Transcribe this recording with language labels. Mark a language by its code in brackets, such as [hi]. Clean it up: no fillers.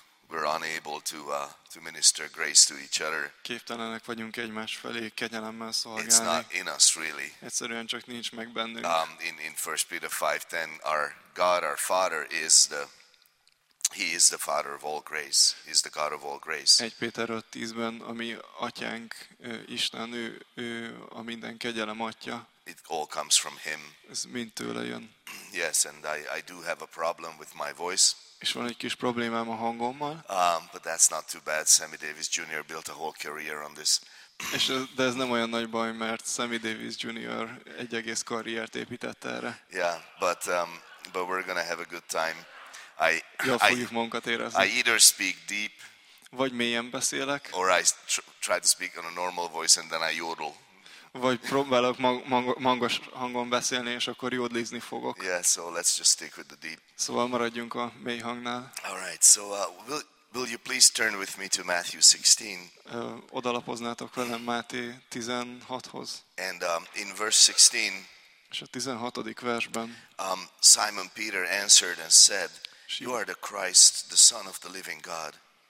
[en] We're unable to minister grace to each other. [hu] Képtelenek vagyunk egymás felé kegyelemmel szolgálni. [en] It's not in us really. [hu] Egyszerűen csak nincs meg bennünk. [en] In 1 Peter 5:10 our God, our Father is the He is the Father of all grace. He is the God of all grace. [hu] 1 Péter 5:10-ben, ami atyánk, Isten, ő a minden kegyelem atya. [en] It all comes from him. [hu] Ez mind tőle jön. [en] Yes, and I do have a problem with my voice. [hu] És van egy kis problémám a hangommal. [en] But that's not too bad. Sammy Davis Jr. built a whole career on this. [hu] És de ez nem olyan nagy baj, mert Sammy Davis Jr. egy egész karriert építette erre. [en] Yeah, but we're gonna have a good time. I either speak deep, [hu] vagy mélyen beszélek, [en] or I try to speak on a normal voice and then I yodel. [hu] Vagy próbálok magas hangon beszélni és akkor jódlizni fogok. [en] Yeah, so let's just stick with the deep. [hu] Szóval maradjunk a mély hangnál. [en] All right, so will you please turn with me to Matthew 16? [hu] Odalapoznátok velem Máté 16-hoz. [en] And in verse 16. [hu] És a 16. versben. [en] Simon Peter answered and said, "You are the Christ, the Son of the Living God."